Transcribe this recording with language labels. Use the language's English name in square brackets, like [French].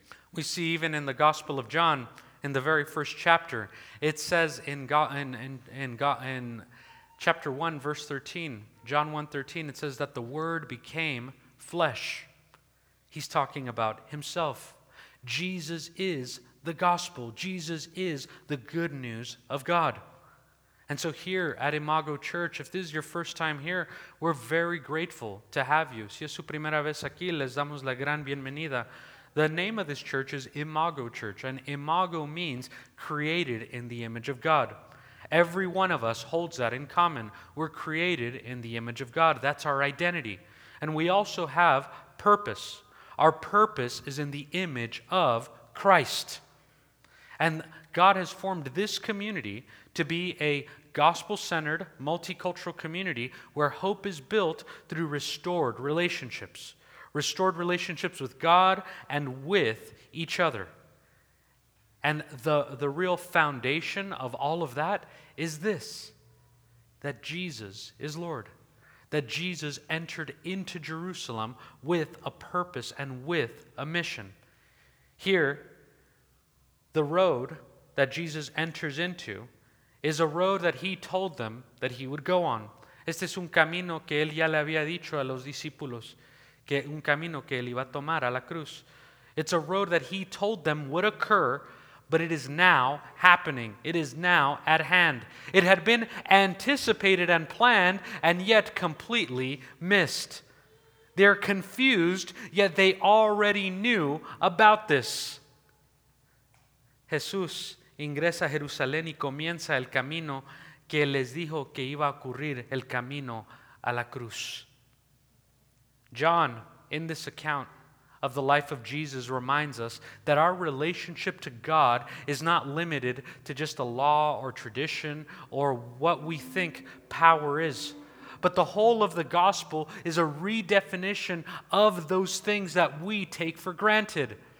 [English] We see even in the Gospel of John, in the very first chapter, it says in chapter 1, verse 13, John 1:13, it says that the Word became flesh. He's talking about himself. Jesus is the gospel. Jesus is the good news of God. And so here at Imago Church, if this is your first time here, we're very grateful to have you. [Spanish] Si es su primera vez aquí, les damos la gran bienvenida. [English] The name of this church is Imago Church, and Imago means created in the image of God. Every one of us holds that in common. We're created in the image of God. That's our identity. And we also have purpose. Our purpose is in the image of Christ. And God has formed this community to be a gospel-centered, multicultural community where hope is built through restored relationships. Restored relationships with God and with each other. And the real foundation of all of that is this, that Jesus is Lord, that Jesus entered into Jerusalem with a purpose and with a mission. Here, the road that Jesus enters into is a road that he told them that he would go on. [Spanish] Este es un camino que él ya le había dicho a los discípulos, que un camino que él iba a tomar a la cruz. [English] It's a road that he told them would occur, but it is now happening. It is now at hand. It had been anticipated and planned and yet completely missed. They're confused, yet they already knew about this. [Spanish] Jesús ingresa a Jerusalén y comienza el camino que les dijo que iba a ocurrir, el camino a la cruz. [English] John, in this account of the life of Jesus, reminds us that our relationship to God is not limited to just a law or tradition or what we think power is. But the whole of the gospel is a redefinition of those things that we take for granted.